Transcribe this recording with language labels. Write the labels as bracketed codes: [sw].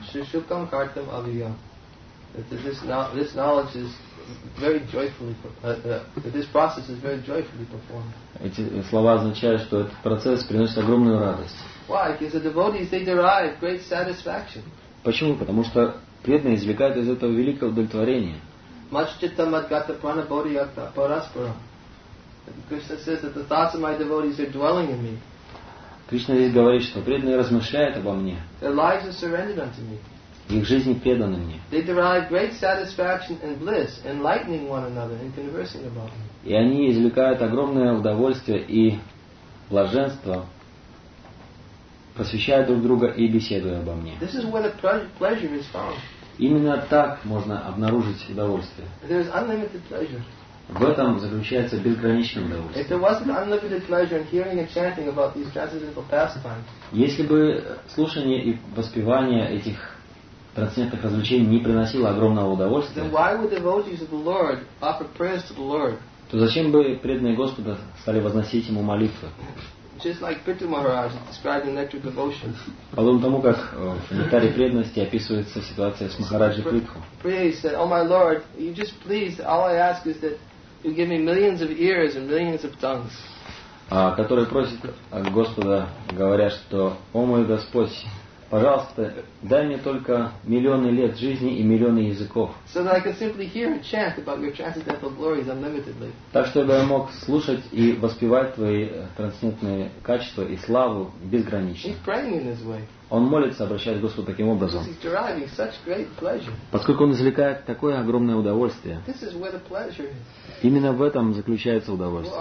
[sa] Shushupam kartam aviya. [en] This knowledge is very joyfully. This process is very joyfully performed. [ru] Эти слова означают, что этот процесс приносит огромную радость. [en] Why? Because the devotees, they derive great satisfaction. [ru] Почему? Потому что преданные извлекают из этого великое удовлетворение. [sa] Machchitta madgata prana bodhiyata paraspara. [en] Krishna says that the thoughts of my devotees are dwelling in me. [ru] Кришна здесь говорит, что преданные размышляют обо мне. [en] Their lives are surrendered unto me. [ru] их жизни преданы мне. [en] They derive great satisfaction and bliss, enlightening one another and conversing about me. [ru] И они извлекают огромное удовольствие и блаженство, посвящая друг друга и беседуя обо мне. [en] This is where the pleasure is found. [ru] Именно так можно обнаружить удовольствие. [en] There is unlimited pleasure. [ru] В этом заключается безграничное удовольствие. Если бы слушание и воспевание этих трансцендентных развлечений не приносило огромного удовольствия, то зачем бы преданные Господа стали возносить ему молитвы? [en] Just like Pitu Maharaj described in Nectar Devotion. [ru] Подобно тому, как в Нектаре преданности описывается ситуация с Махараджи Притху. [en] Priya said, "Oh my Lord, you just please. All I ask is that you give me millions of ears and millions of tongues." [ru] Который просит от Господа, говоря, что, "О мой Господь, пожалуйста, дай мне только миллионы лет жизни и миллионы языков." [en] So that I can simply hear and chant about your transcendental glories unlimitedly. [ru] Так чтобы я мог слушать и воспевать твои трансцендентные качества и славу безгранично. [en] He's praying in this way. [ru] Он молится, обращаясь к Господу таким образом. [en] Because he's deriving such great pleasure. [ru] Поскольку он извлекает такое огромное удовольствие. [en] This is where the pleasure is. [ru] Именно в этом заключается удовольствие.